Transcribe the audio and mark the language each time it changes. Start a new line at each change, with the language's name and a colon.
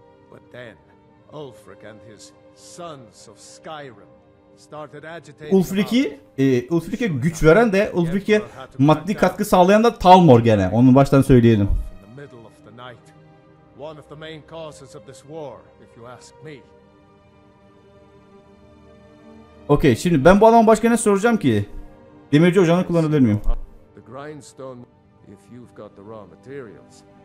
English: But then Ulfric and his sons of Skyrim started agitating.
Turkish: Ulfric'e güç veren de Ulfric'e maddi katkı sağlayan da Talmor gene. Onu baştan söyleyelim.
English: In the middle of the night, one of the main causes of this war, if you ask me.
Turkish: Okay, şimdi ben bu adamı başka ne soracağım ki? Demirci ocağını kullanabilir miyim?
English: The grindstone, if you've got the raw materials.